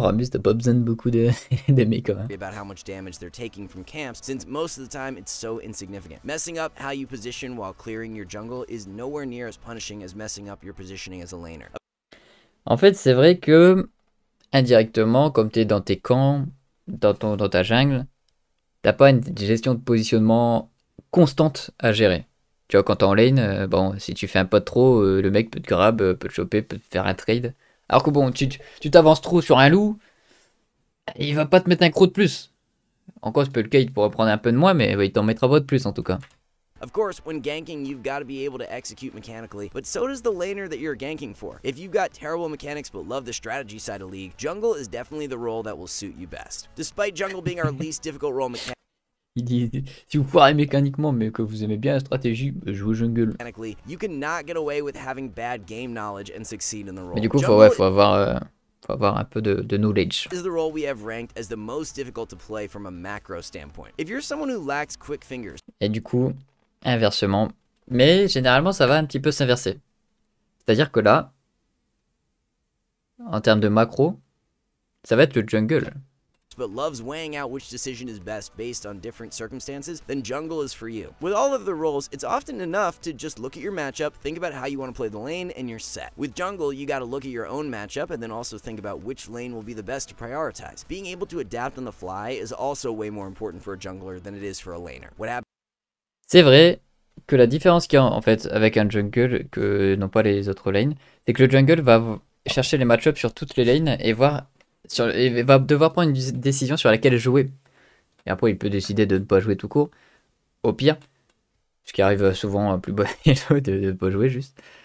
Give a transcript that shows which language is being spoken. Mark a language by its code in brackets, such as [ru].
[fr] Rammus n'a pas besoin de beaucoup de méca. [en] About how much damage they're taking from camps, since most of the time it's so insignificant. Messing up how you position while clearing your jungle is nowhere near as punishing as messing up your positioning as a laner. [fr] En fait, c'est vrai que indirectement, comme t'es dans tes camps. Dans ta jungle, t'as pas une gestion de positionnement constante à gérer. Tu vois, quand t'es en lane, bon, si tu fais un pot trop, le mec peut te grab, peut te choper, peut te faire un trade. Alors que bon, tu t'avances trop sur un loup, il va pas te mettre un croc de plus. Encore, c'est peu le cas, il pourrait prendre un peu de moins, mais ouais, il t'en mettra pas de plus en tout cas. [en] Of course, when ganking, you've got to be able to execute mechanically, but so does the laner that you're ganking for. If you've got terrible mechanics but love the strategy side of League, jungle is definitely the role that will suit you best. Despite jungle being our least difficult role mechanically... [fr] Il dit, si vous foirez mécaniquement mais que vous aimez bien la stratégie, jouez jungle. [en] Mechanically, you cannot get away with having bad game knowledge and succeed in the role. [fr] Mais du coup, faut avoir un peu de knowledge. [en] This is the role we have ranked as the most difficult to play from a macro standpoint. If you're someone who lacks quick fingers... [fr] Et du coup... Inversement, mais généralement ça va un petit peu s'inverser. C'est-à-dire que là, en termes de macro, ça va être le jungle. [en] But loves weighing out which decision is best based on different circumstances, then jungle is for you. With all of the roles, it's often enough to just look at your matchup, think about how you want to play the lane, and you're set. With jungle, you got to look at your own matchup and then also think about which lane will be the best to prioritize. Being able to adapt on the fly is also way more important for a jungler than it is for a laner. What happens? [fr] C'est vrai, que la différence qu'il y a en fait avec un jungle que n'ont pas les autres lanes, c'est que le jungle va chercher les match-ups sur toutes les lanes et voir sur, et va devoir prendre une décision sur laquelle jouer. Et après, il peut décider de ne pas jouer tout court, au pire. Ce qui arrive souvent à plus bas de ne pas jouer juste.